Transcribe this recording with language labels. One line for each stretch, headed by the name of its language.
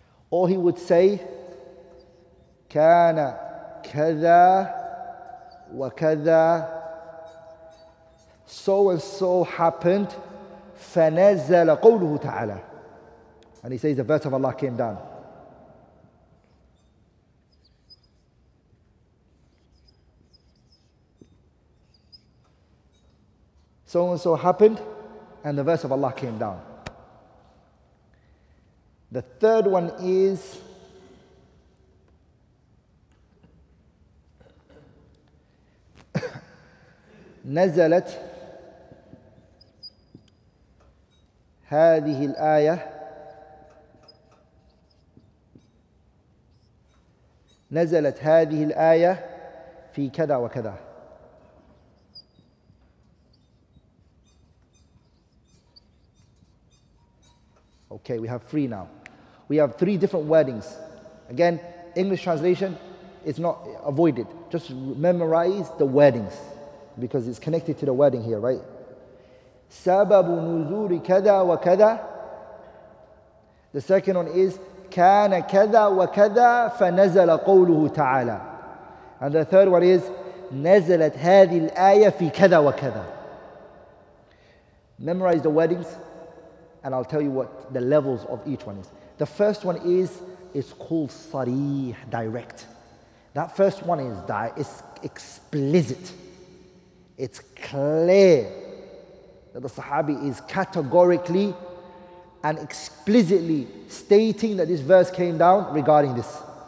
English: Or he would say,
Arabic: كان كذا وكذا,
English: so and so happened,
Arabic: فنزل قوله تعالى.
English: And he says the verse of Allah came down. So and so happened, and the verse of Allah came down. The third one is
Arabic: نزلت هذه الآية نزلت هذه الآية في كذا وكذا.
English: Okay, we have three now. We have three different wordings. Again, English translation is not avoided. Just memorize the wordings because it's connected to the wording here, right?
Arabic: سبب نزول كذا وكذا.
English: The second one is
Arabic: كان كذا وكذا فنزل قوله تعالى.
English: And the third one is
Arabic: نزلت هذه الآية في كذا وكذا.
English: Memorize the wordings and I'll tell you what the levels of each one is. The first one is, it's called sarih, direct. That first one is it's explicit. It's clear that the Sahabi is categorically and explicitly stating that this verse came down regarding this.